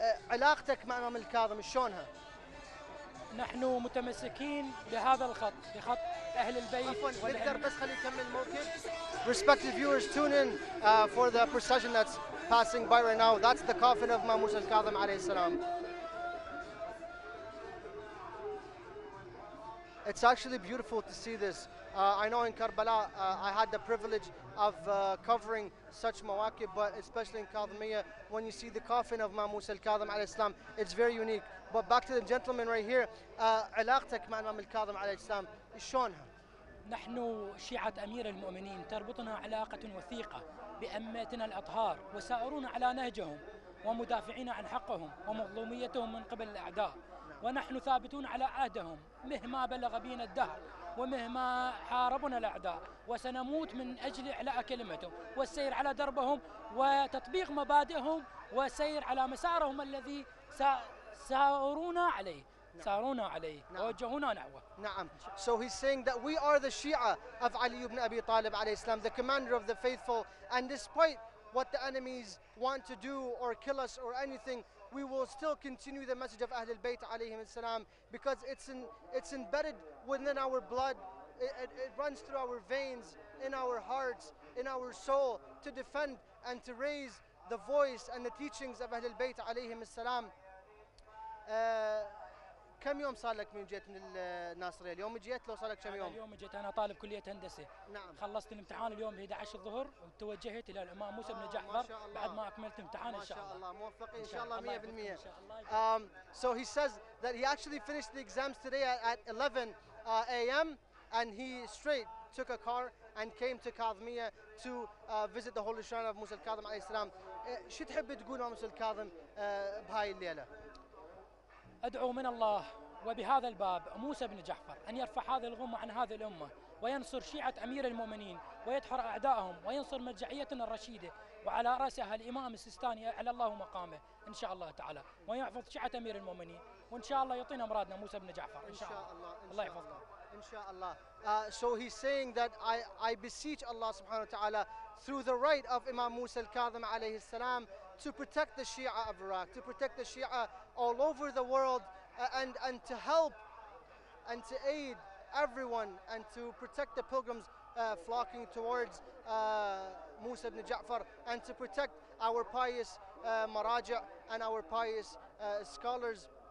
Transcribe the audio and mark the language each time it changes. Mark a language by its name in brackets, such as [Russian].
[Arabic] علاقتك مع Imam Al-Kadhim شلونها؟ نحن متمسكين بهذا الخط بخط أهل البيت. نقدر بس خلي يكمل الموكب. [English] Respected viewers, tune in for the procession that's passing by right now. That's the coffin of Imam Musa Al-Kadhim alayhi salam. It's actually beautiful to see this. I know in Karbala, I had the privilege of covering such mawakib, but especially in Kadhimiya, when you see the coffin of Imam Musa al-Kadhim alayhi salam, it's very unique. But back to the gentleman right here, [Arabic] علاقتك مع [English] Imam al-Kadhim alayhi salam, [Arabic] شلونها؟ نحن شيعة أمير المؤمنين تربطنا علاقة وثيقة بأمتنا الأطهار وسائرون على نهجهم ومدافعين عن حقهم ومظلوميتهم من قبل الأعداء. ونحن ثابتون على عهدهم مهما بلغ بينا الدهر ومهما حاربنا الأعداء وسنموت من أجل إعلاء كلمتهم والسير على دربهم وتطبيق مبادئهم وسير على مسارهم الذي سارونا عليه سارونا عليه ووجهونا نحوه. نعم. [English] So he's saying that we are the Shia of Ali ibn Abi Talib alayhi salam, the commander of the faithful, and despite what the enemies want to do or kill us or anything, we will still continue the message of Ahlul Bayt alayhim as-salam, because it's embedded within our blood. It runs through our veins, in our hearts, in our soul, to defend and to raise the voice and the teachings of Ahlul Bayt alayhim as-salam. [Arabic] كم يوم صار لك من جيت من الناصرية؟ اليوم جيت لو صار لك كم يوم؟ اليوم جيت أنا طالب كلية هندسة. نعم. خلصت الامتحان اليوم 11 الظهر وتوجهت إلى الإمام موسى بن جعفر بعد ما أكملت امتحان إن شاء الله. ما شاء الله موفقين إن شاء الله 100%. [English] So he says that he actually finished the exams today at 11 a.m. and he straight took a car and came to Kadhimiya to visit the Holy Shrine of Musa al-Kadhim عليه السلام. [Arabic] شو تحب تقول Musa al-Kadhim بهاي الليلة؟ أدعو من الله وبهذا الباب موسى بن جعفر أن يرفع هذا الغمة عن هذه الأمة وينصر شيعة أمير المؤمنين ويدحر أعدائهم وينصر مرجعيتنا الرشيدة وعلى رأسها الإمام السيستاني على الله مقامه إن شاء الله تعالى ويحفظ شيعة أمير المؤمنين وإن شاء الله يعطينا مرادنا موسى بن جعفر إن شاء الله. الله يحفظنا إن شاء الله. [English] So he's saying that I beseech Allah سبحانه وتعالى through the right of Imam Musa al-Kadhim عليه السلام to protect the Shia of Iraq, to protect the Shia all over the world, and to help and to aid everyone and to protect the pilgrims flocking towards Musa ibn Ja'far, and to protect our pious maraja and our pious scholars.